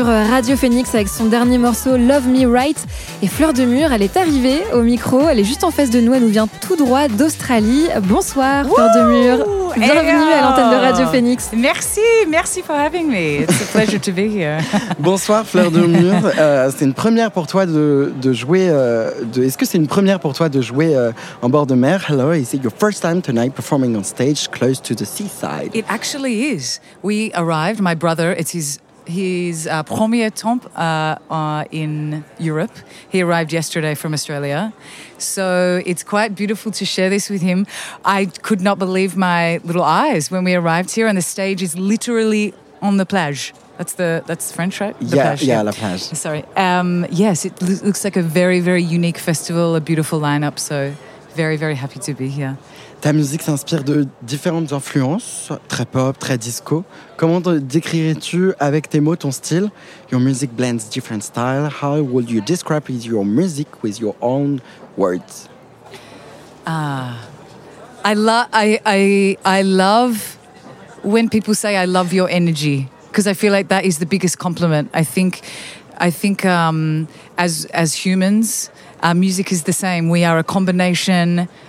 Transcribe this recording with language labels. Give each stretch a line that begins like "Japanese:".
French: Radio Phoenix avec son dernier morceau Love Me Right. Et Fleur de Mur, elle est arrivée au micro, elle est juste en face de nous, elle nous vient tout droit d'Australie. Bonsoir Fleur de Mur, bienvenue à l'antenne de Radio Phoenix.
English: Merci for having me, it's a pleasure to be here.
French: Bonsoir Fleur de Mur, c'est une première pour toi de jouer, est-ce que c'est une première pour toi de jouer en bord de mer?
English: Hello, is it your first time tonight performing on stage close to the seaside? It actually is. We arrived, my brother, it's his
French: premier temps
English: in Europe. He arrived yesterday from Australia. So it's quite beautiful to share this with him. I could not believe my little eyes when we arrived here, and the stage is literally on the plage. That's French, right? Yeah,
French: la plage.
English: Sorry. Yes, it looks like a very, very unique festival, a beautiful lineup. So very, very happy to be here.
French: Ta musique s'inspire de différentes influences, très pop, très disco. Comment décrirais-tu avec tes mots ton style?
English: Your music blends different styles. How would you describe your music with your own words? I love when people say I love your energy, because I feel like that is the biggest compliment. I think as humans, our music is the same. We are a combination